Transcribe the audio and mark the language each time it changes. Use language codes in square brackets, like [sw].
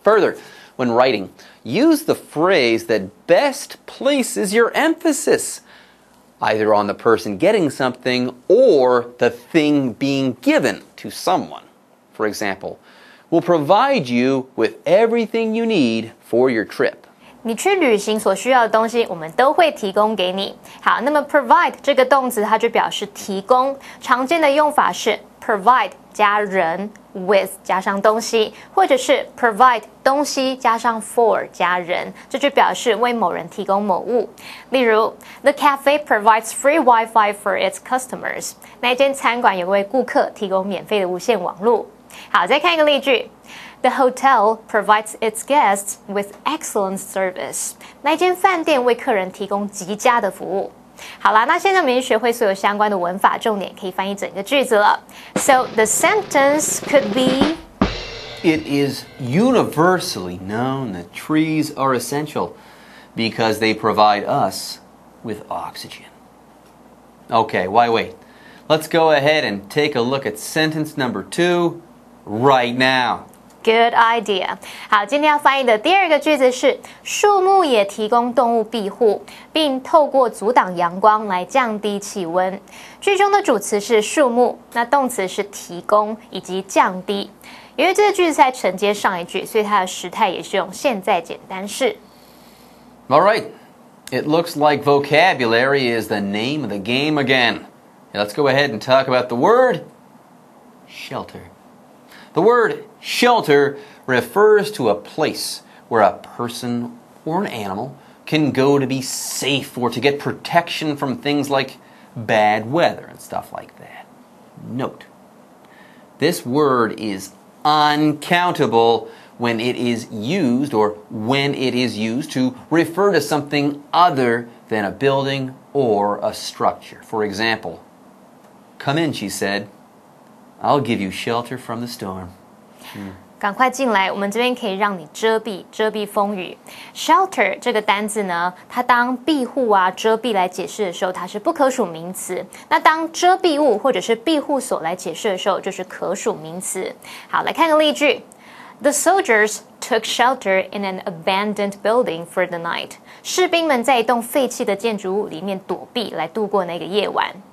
[en] Further, when writing, use the phrase that best places your emphasis. Either on the person getting something or the thing being given to someone. For example, we'll provide you with everything you need for your trip. [zh] 你去旅行所需要的东西我们都会提供给你。好，那么 provide 这个动词它就表示提供。常见的用法是 provide 加人 with 加上东西或者是 provide 东西加上 for 加人这就表示为某人提供某物。例如 [en] The cafe provides free Wi-Fi for its customers. [zh] 那一间餐馆有为顾客提供免费的无线网路。好，再看一个例句。 [en] The hotel provides its guests with excellent service. [zh] 那间饭店为客人提供极佳的服务。好啦，那现在我们已经学会所有相关的文法重点，可以翻译整个句子了。 [en] So the sentence could be... It is universally known that trees are essential because they provide us with oxygen. Okay, why wait? Let's go ahead and take a look at sentence number two right now. Good idea. [zh] 好，今天要翻译的第二个句子是树木也提供动物庇护，并透过阻挡阳光来降低气温。句中的主词是树木，那动词是提供以及降低。因为这个句子在承接上一句，所以它的时态也是用现在简单式。 [en] All right. It looks like vocabulary is the name of the game again. Let's go ahead and talk about the word shelter. The word shelter refers to a place where a person or an animal can go to be safe or to get protection from things like bad weather and stuff like that. Note, this word is uncountable when it is used or when it is used to refer to something other than a building or a structure. For example, come in, she said. I'll give you shelter from the storm. [zh] 赶快进来，我们这边可以让你遮蔽，遮蔽风雨。 Shelter 这个单字呢，它当庇护啊、遮蔽来解释的时候，它是不可数名词。那当遮蔽物或者是庇护所来解释的时候，就是可数名词。好，来看个例句。 [en] The soldiers took shelter in an abandoned building for the night. [zh] 士兵们在一栋废弃的建筑物里面躲避，来度过那个夜晚。